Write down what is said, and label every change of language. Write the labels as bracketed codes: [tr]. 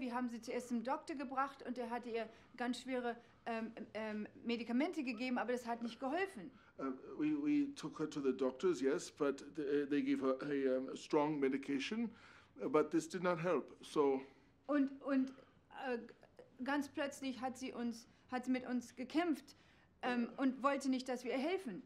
[de] Wir haben sie zuerst zum Doktor gebracht und der hatte ihr ganz schwere Medikamente gegeben, aber das hat nicht geholfen. [en] We took her to the doctors, yes, but they gave her a strong medication, but this did not help, so... [de] Und ganz plötzlich hat sie mit uns gekämpft und wollte nicht, dass wir ihr helfen.